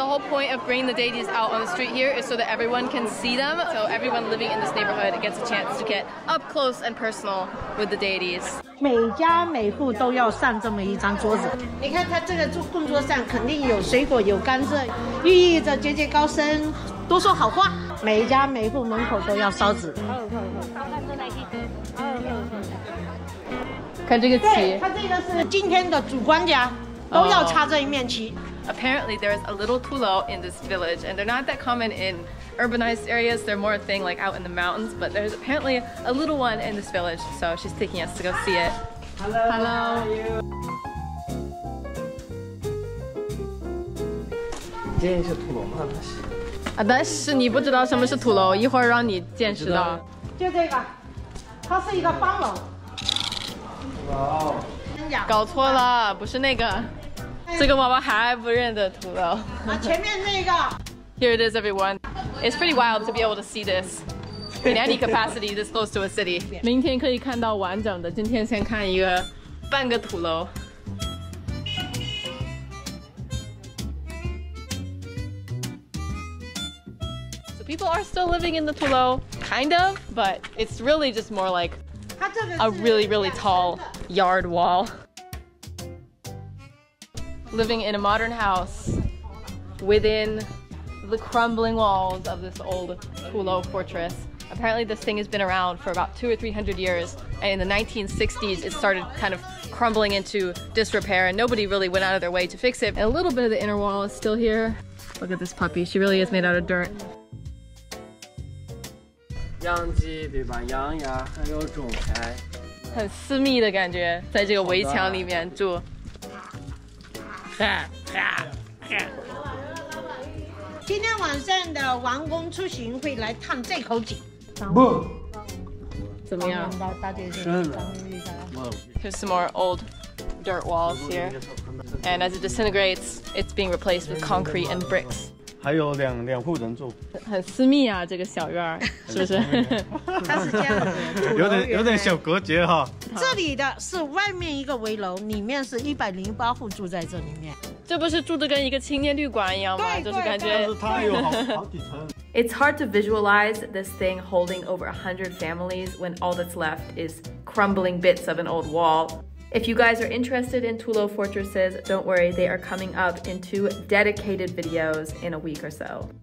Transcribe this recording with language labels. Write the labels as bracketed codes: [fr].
[en] Point of bringing the deities out on the street here is so that everyone can see them, so everyone living in this neighborhood gets a chance to get up close and personal with the deities. [zh] 每家每户都要上这么一张桌子。你看他这个供桌上肯定有水果有甘蔗，寓意着节节高升，多说好话。每家每户门口都要烧纸。看这个旗，他这个是今天的主官家，都要插这一面旗。 [en] Apparently, there is a little tulou in this village, and they're not that common in urbanized areas. They're more a thing like out in the mountains, but there's apparently a little one in this village, so she's taking us to go see it. Hello, hello. How are you? [zh] 今天是土楼吗？那是。啊，但是你不知道什么是土楼，一会儿让你见识到。就这个，它是一个方楼。楼。搞错了，不是那个。这个娃娃还不认得土楼。啊，前面那个。 [en] Here it is, everyone. It's pretty wild to be able to see this in any capacity this close to a city. [zh] 明天可以看到完整的，今天先看一个半个土楼。 [en] So people are still living in the 土楼, kind of, but it's really just more like a really, really tall yard wall. Living in a modern house within the crumbling walls of this old Tulou fortress. Apparently this thing has been around for about 200 or 300 years, and in the 1960s it started kind of crumbling into disrepair and nobody really went out of their way to fix it. And a little bit of the inner wall is still here. Look at this puppy, she really is made out of dirt. Yang Yang ya, and there's a lot of privacy. It's very private, in this wall inside living. [zh] 今天晚上的王公出行会来探这口井。不，怎么样？ [en] Here's some more old dirt walls here, and as it disintegrates, it's being replaced with concrete and bricks. [zh] 还有两户人住。很私密啊，这个小院儿，是不是？它是这样，有点小隔绝哈。这里的是外面一个围楼，里面是108户住在这里面。这不是住的跟一个青年旅馆一样吗？就是感觉它有好几层。 [en] It's hard to visualize this thing holding over 100 families when all that's left is crumbling bits of an old wall. If you guys are interested in Tulo fortresses, don't worry, they are coming up in two dedicated videos in a week or so.